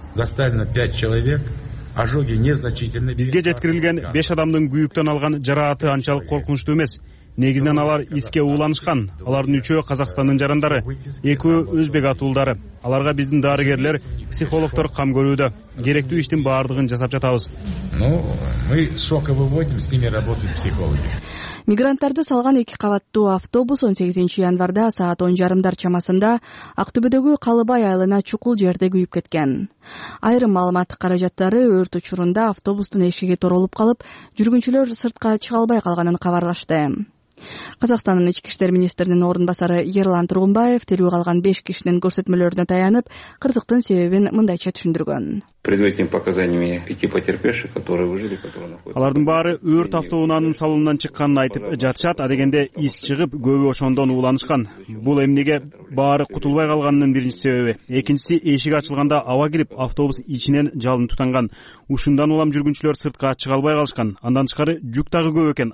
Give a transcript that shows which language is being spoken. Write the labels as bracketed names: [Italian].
[Russian] Достально 5 человек. Ожоги незначительные. [Kyrgyz] Бизге жеткирилген 5 адамдын күйүктөн алган жараты анчалык коркунучтуу эмес. Негизинен алар иске ууланышкан. Алардын үчөө Казакстандын жарандары, экөө өзбек атуулдары. Аларга биздин дарыгерлер, психологтор кам көрүүдө. Керектүү иштин баардыгын жасап жатабыз. [Russian] Ну, мы сколько выводим, с ними работают психологи. [Kyrgyz] Мигранттарды салган эки кабаттуу автобус 18 январда саат 10:30 чамасында Актобедеги Калыбай айылына чукул жерде күйүп кеткен. Айрым маалымат каражаттары өрт учурунда автобустун эшиги торолуп калып, жүргүнчүлөр сыртка чыга албай калганын кабарлашты. Казакстандын ички иштер министринин орун басары Ерлан Тургунбаев тирүү калган 5 кишинин көрсөтмөлөрүнө таянып, кырсыктын себебин мындайча түшүндүргөн. [Russian] Предварительными показаниями пяти потерпевших, которые выжили, которые находятся. [Kyrgyz] Алардын баары өрт автоунаанын салонунан чыкканын айтып жатышат, а дегенде из чыгып, көбү ошондон ууланышкан. Бул эмнеге баары кутулбай калганынын биринчи себеби. Экинчиси, эшик ачылганда аба кирип, автобус ичинен жалын тутанган. Ушундан улам жүргүнчүлөр сыртка чыга албай калышкан. Андан тышкары жүк дагы көп экен.